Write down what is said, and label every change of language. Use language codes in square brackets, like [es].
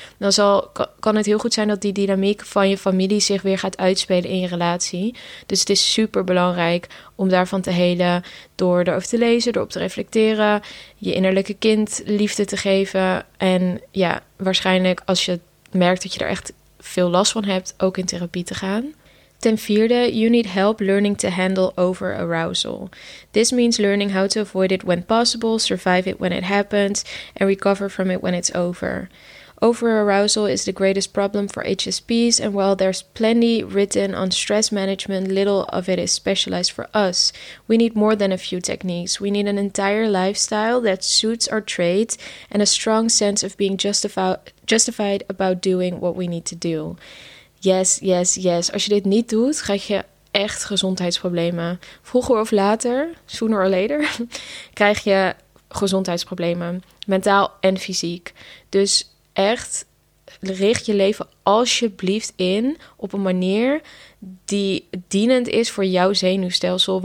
[nl] Dan kan het heel goed zijn dat die dynamiek van je familie zich weer gaat uitspelen in je relatie. Dus het is super belangrijk om daarvan te helen door erover te lezen, erop te reflecteren, je innerlijke kind liefde te geven. En ja, waarschijnlijk als je merkt dat je er echt veel last van hebt, ook in therapie te gaan. Ten vierde, [en] you need help learning to handle over arousal. This means learning how to avoid it when possible, survive it when it happens, and recover from it when it's over. Overarousal is the greatest problem for HSPs, and while there's plenty written on stress management, little of it is specialized for us. We need more than a few techniques. We need an entire lifestyle that suits our trait and a strong sense of being justified about doing what we need to do. Yes, yes, yes. [nl] Als je dit niet doet, krijg je echt gezondheidsproblemen. Vroeger of later, [en] sooner or later, [nl] krijg je gezondheidsproblemen. Mentaal en fysiek. Dus echt, richt je leven alsjeblieft in op een manier die dienend is voor jouw zenuwstelsel.